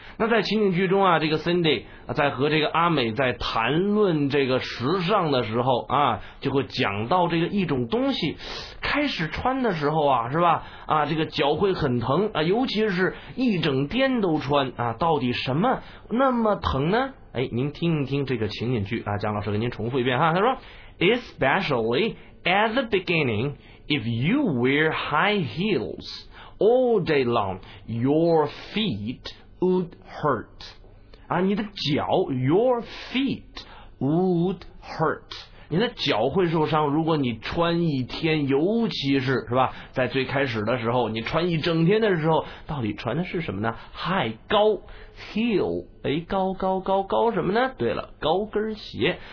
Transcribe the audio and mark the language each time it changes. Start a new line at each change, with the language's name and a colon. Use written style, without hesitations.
Chinese: 那在情景剧中啊，这个 Cindy 在和这个阿美在谈论这个时尚的时候啊，就会讲到这个一种东西，开始穿的时候啊，是吧？啊，这个脚会很疼啊，尤其是一整天都穿啊，到底什么那么疼呢？哎，您听一听这个情景剧啊，姜老师给您重复一遍哈。他说
English: ，Especially at the beginning, if you wear high heels all day long, your feet would hurt.
Chinese: 啊，你的脚 ，
English: your feet would hurt.
Chinese: 你的脚会受伤，如果你穿一天，尤其是吧，在最开始的时候，你穿一整天的时候，到底穿的是什么呢 ？High 高。 Heel， 哎，高高高高什么呢？对了，高跟鞋。